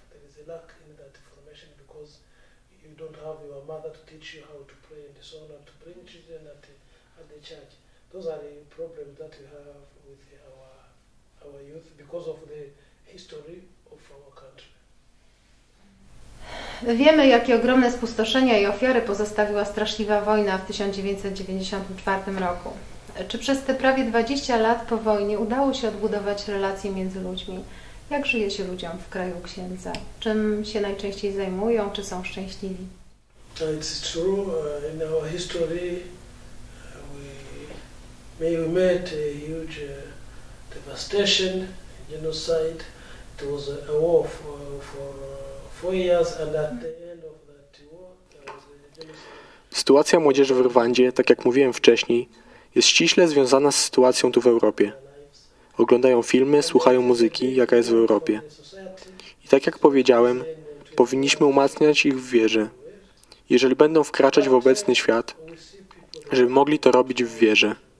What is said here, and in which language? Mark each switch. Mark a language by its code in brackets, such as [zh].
[en] There is a lack in that formation because you don't have your mother to teach you how to pray and so on, and to bring children at the church. Those are the problems that we have with our youth because of the history of our country. [pl] Wiemy, jakie ogromne spustoszenia i ofiary pozostawiła straszliwa wojna w 1994 roku. Czy przez te prawie 20 lat po wojnie udało się odbudować relacje między ludźmi? Jak żyje się ludziom w kraju księdza? Czym się najczęściej zajmują? Czy są szczęśliwi? [en] It's true. In our history, we met a huge devastation, genocide. It was a war for 4 years, and at the end of that war, there was a genocide. [pl] Sytuacja młodzieży w Rwandzie, tak jak mówiłem wcześniej, jest ściśle związana z sytuacją tu w Europie. Oglądają filmy, słuchają muzyki, jaka jest w Europie. I tak jak powiedziałem, powinniśmy umacniać ich w wierze. Jeżeli będą wkraczać w obecny świat, żeby mogli to robić w wierze.